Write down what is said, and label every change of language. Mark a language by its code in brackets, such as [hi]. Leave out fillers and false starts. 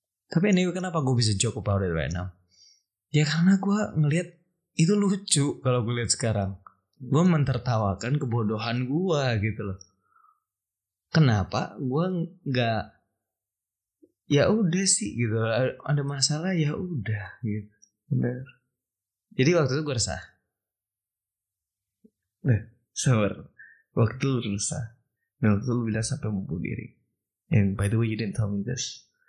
[id] Tapi [en] anyway, [id] kenapa gue bisa [en] joke about it right now? [id] Ya karena gue ngelihat itu lucu kalau gue lihat sekarang. Gue mentertawakan kebodohan gue gitu loh. Kenapa gue nggak ya udah sih gitu, ada masalah ya udah gitu. Benar. Jadi waktu itu gue resah. Nah, sabar. Waktu itu resah. Dan waktu itu lu bilang sampai mumpul diri. [en] And by the way, you didn't tell me this.